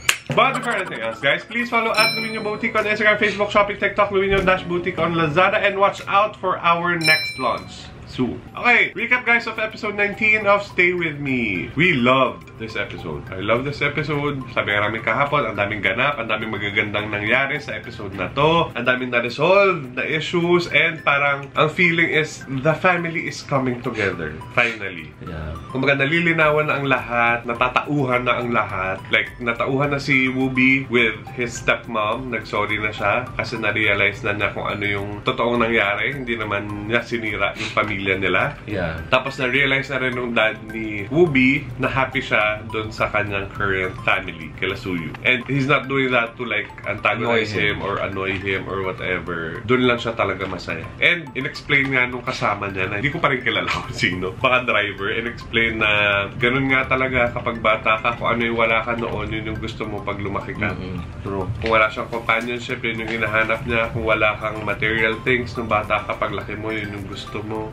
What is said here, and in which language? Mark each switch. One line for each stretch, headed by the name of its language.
English: But before anything else, guys, please follow at LUIÑO Boutique on Instagram, Facebook, Shopping, TikTok, LUIÑO-Boutique on Lazada, and watch out for our next launch. Soon. Okay, recap guys of episode 19 of Stay With Me. We loved this episode. I love this episode.
Filipino: Sabi nga raming kahapon, ang daming ganap, ang daming magagandang nangyari sa episode na to.
English: Ang daming na-resolve, na issues, and parang ang feeling is the family is coming together. Finally. Yeah.
Filipino: Kumbaga nalilinawan na ang lahat, natatauhan na ang lahat.
English: Like, natauhan na si WUBI with his stepmom.
Filipino: Nag-sorry na siya kasi na-realize na niya kung ano yung totoong nangyari. Hindi naman niya sinira yung pamilya nila.
English: Yeah.
Filipino: Tapos na-realize na rin nung dad ni WUBI na happy siya dun sa kanyang current family, kila Suyu.
English: And he's not doing that to like antagonize him or annoy him or whatever.
Filipino: Dun lang siya talaga masaya. And in-explain nga nung kasama niya na hindi ko pa rin kilala kung sino. Baka driver. In-explain na ganun nga talaga kapag bata ka, kung ano yung wala ka noon, yun yung gusto mo pag lumaki ka. Mm-hmm. True. Kung wala siyang companionship, yun yung hinahanap niya. Kung wala kang material things nung bata ka, pag laki mo, yun yung gusto mo.